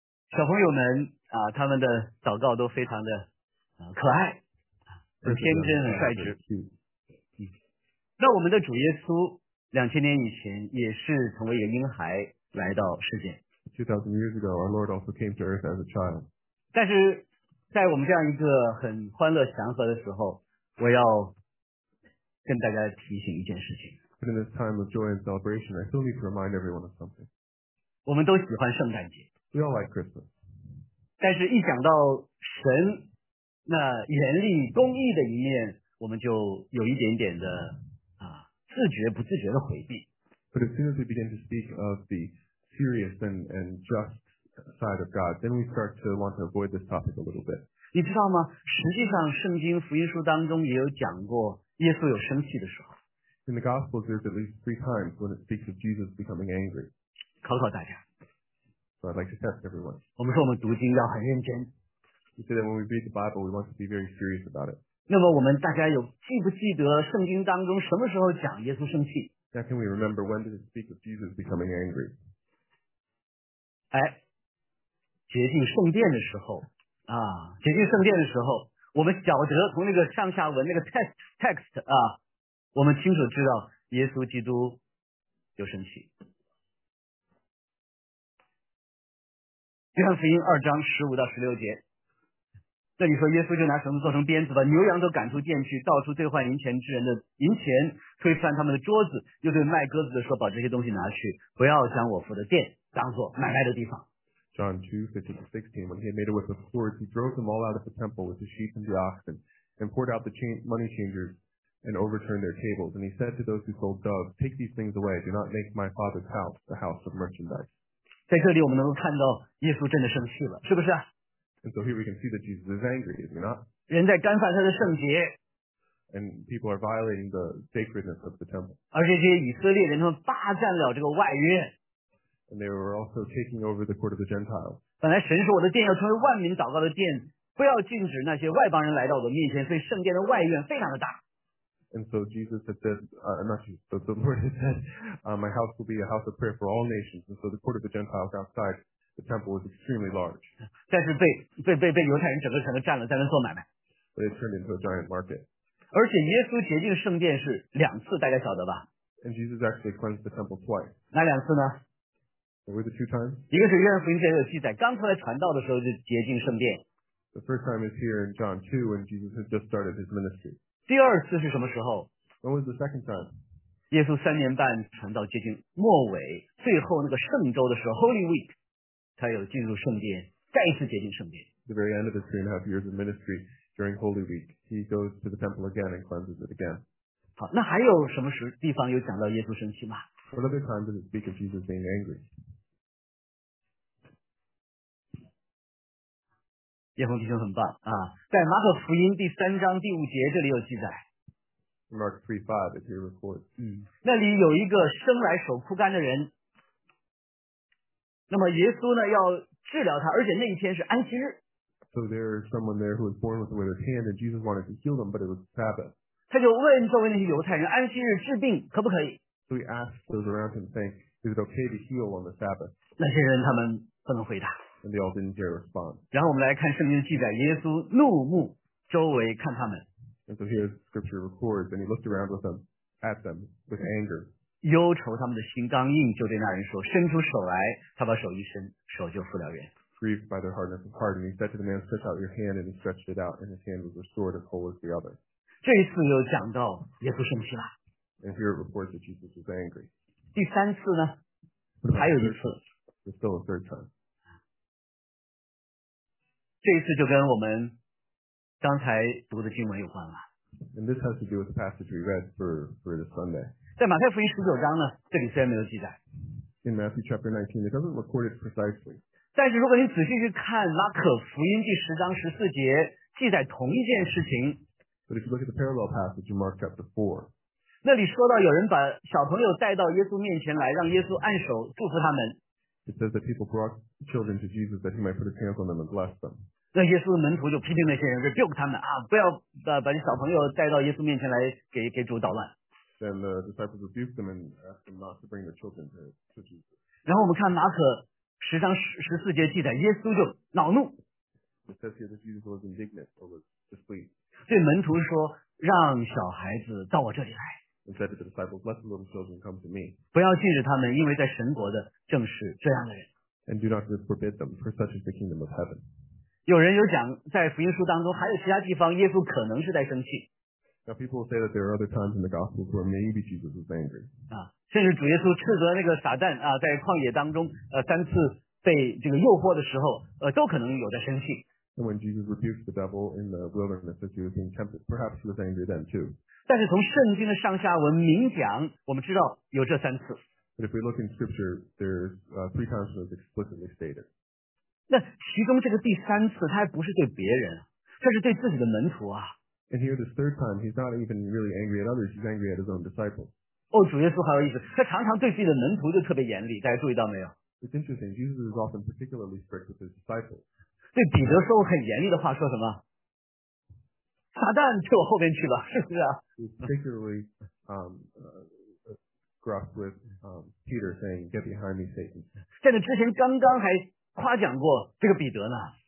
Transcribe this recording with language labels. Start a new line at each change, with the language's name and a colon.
Chinese: 小朋友们他们的祷告都非常的可爱，很天真，很率直。那我们的主耶稣2000年以前也是成为一个婴孩来到世界。
English: 2000 years ago, our Lord also came to earth as a child.
Chinese: 但是在我们这样一个很欢乐祥和的时候，我要跟大家提醒一件事情。
English: But in this time of joy and celebration, I still need to remind everyone of something.
Chinese: 我们都喜欢圣诞节。
English: We all like Christmas.
Chinese: 但是一想到神那严厉公义的一面，我们就有一点点的自觉不自觉的回避。
English: But as soon as we begin to speak of the serious and just side of God, then we start to want to avoid this topic a little bit.
Chinese: 你知道吗？实际上，圣经福音书当中也有讲过耶稣有生气的时候。
English: In the Gospels, there's at least three times when it speaks of Jesus becoming angry.
Chinese: 考考大家。
English: So I'd like to test everyone.
Chinese: 我们说我们读经要很认真。
English: We say that when we read the Bible, we want to be very serious about it.
Chinese: 那么我们大家有记不记得圣经当中什么时候讲耶稣生气？
English: Now can we remember when did it speak of Jesus becoming angry?
Chinese: 哎，洁净圣殿的时候啊，洁净圣殿的时候，我们晓得从那个上下文那个 text 啊，我们清楚知道耶稣基督有生气。约翰福音2:15-16，那你说耶稣就拿绳子做成鞭子，把牛羊都赶出店去，到处兑换银钱之人的银钱，推翻他们的桌子，又对卖鸽子的说，把这些东西拿去，不要将我父的殿当作买卖的地方。
English: John 2:15-16, when he had made it with the cords, he drove them all out of the temple with the sheep and the oxen, and poured out the money changers and overturned their tables. And he said to those who sold doves, take these things away, do not make my father's house the house of merchandise.
Chinese: 在这里我们能够看到耶稣真的生气了，是不是？
English: And so here we can see that Jesus is angry, is he not?
Chinese: 人在干犯他的圣洁。
English: And people are violating the sacredness of the temple.
Chinese: 而且这些以色列人他们霸占了这个外约。
English: And they were also taking over the court of the Gentiles.
Chinese: 本来神说我的殿要成为万民祷告的殿，不要禁止那些外邦人来到我的面前，所以圣殿的外院非常的大。
English: And so Jesus had said, the Lord had said, my house will be a house of prayer for all nations. And so the court of the Gentiles outside. The temple was extremely large.
Chinese: 但是被犹太人整个城占了，在那做买卖。
English: But it turned into a giant market.
Chinese: 而且耶稣洁净圣殿是两次，大家晓得吧？
English: And Jesus actually cleansed the temple twice.
Chinese: 哪两次呢？
English: What were the two times?
Chinese: 一个是约翰福音前有记载，刚出来传道的时候就洁净圣殿。
English: The first time is here in John 2 when Jesus had just started his ministry.
Chinese: 第二次是什么时候？
English: When was the second time?
Chinese: 耶稣三年半传道接近末尾，最后那个圣周的时候 ，Holy Week。他有进入圣殿，再一次接近圣殿。
English: The very end of his 3.5 years of ministry during Holy Week, he goes to the temple again and cleanses it again.
Chinese: 好，那还有什么地方有讲到耶稣生气吗
English: ？What other time does it speak of Jesus being angry?
Chinese: 叶红弟兄很棒啊，在马可福音3:5这里有记载。
English: Mark 3:5 is here recorded.
Chinese: 那里有一个生来手枯干的人。那么耶稣呢要治疗他，而且那一天是安息日。
English: So there is someone there who was born with a withered hand, and Jesus wanted to heal them, but it was Sabbath.
Chinese: 他就问周围那些犹太人，安息日治病可不可以
English: ？So he asked those around him, saying, "Is it okay to heal on the Sabbath?"
Chinese: 那些人他们不能回答。
English: And they all didn't dare respond.
Chinese: 然后我们来看圣经记载，耶稣怒目周围看他们。
English: And so here scripture records, and he looked around with them, at them with anger.
Chinese: 忧愁他们的心刚硬，就对那人说：“伸出手来。” 他把手一伸，手就复了原。
English: Grieved by their hardness of heart, and he said to the man, "Stretch out your hand." And he stretched it out, and his hand was restored as whole as the other.
Chinese: 这一次又讲到耶稣生气了。
English: And here it reports that Jesus was angry.
Chinese: 第三次呢？还有一次。
English: There's still a third time.
Chinese: 这一次就跟我们刚才读的经文有关了。
English: And this has to do with the passage we read for this Sunday.
Chinese: 在马太福音19呢，这里虽然没有记载。
English: In Matthew chapter 19, it doesn't record it precisely.
Chinese: 但是如果你仔细去看马可福音10:14，记载同一件事情。
English: But if you look at the parallel passage in Mark chapter 4,
Chinese: 那里说到有人把小朋友带到耶稣面前来，让耶稣按手祝福他们。
English: It says that people brought children to Jesus that he might put his hands on them and bless them.
Chinese: 那耶稣的门徒就批评那些人，就 rebuke 他们啊，不要把你小朋友带到耶稣面前来给主捣乱。
English: Then the disciples rebuked them and asked them not to bring their children to Jesus.
Chinese: 然后我们看马可10:14记载，耶稣就恼怒。
English: It says here that Jesus was indignant or was asleep.
Chinese: 对门徒说，让小孩子到我这里来。
English: And said to the disciples, let the little children come to me.
Chinese: 不要禁止他们，因为在神国的正是这样的人。
English: And do not forbid them, for such is the kingdom of heaven.
Chinese: 有人有讲，在福音书当中还有其他地方，耶稣可能是在生气。
English: Now people will say that there are other times in the Gospels where maybe Jesus is angry.
Chinese: 啊，甚至主耶稣斥责那个撒旦啊，在旷野当中三次被这个诱惑的时候，都可能有在生气。
English: And when Jesus rebuked the devil in the wilderness as he was being tempted, perhaps he was angry then too.
Chinese: 但是从圣经的上下文明讲，我们知道有这三次。
English: But if we look in Scripture, there's three times it was explicitly stated.
Chinese: 那其中这个第三次，他还不是对别人，这是对自己的门徒啊。
English: And here, this third time, he's not even really angry at others; he's angry at his own disciples.
Chinese: 哦，主耶稣好有意思，他常常对自己的门徒就特别严厉，大家注意到没有？
English: It's interesting. Jesus is often particularly strict with his disciples.
Chinese: 对彼得说很严厉的话，说什么？撒旦退我后面去吧，是不是啊？
English: He's particularly gruff with Peter, saying, "Get behind me, Satan."
Chinese: 在那之前，刚刚还夸奖过这个彼得呢。